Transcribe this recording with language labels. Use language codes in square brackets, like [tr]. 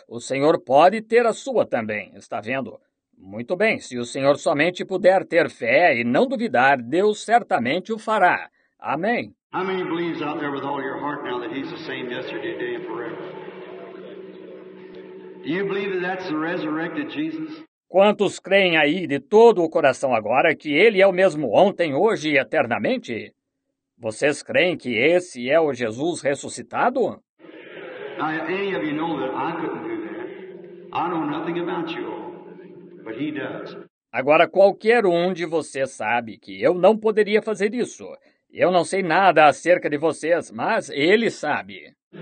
[pt] O senhor pode ter a sua também, está vendo? Muito bem, se o senhor somente puder ter fé e não duvidar, Deus certamente o fará. Amém. [en] How many believes out there with all your heart now that he's the same yesterday, today, and forever? Do you believe that that's the resurrected Jesus? [pt] Quantos creem aí de todo o coração agora que ele é o mesmo ontem, hoje e eternamente? Vocês creem que esse é o Jesus ressuscitado? [en] Now, any of you know that I couldn't do that. I know nothing about you. But he does. [pt] Agora, qualquer um de vocês sabe que eu não poderia fazer isso. Eu não sei nada acerca de vocês, mas ele sabe.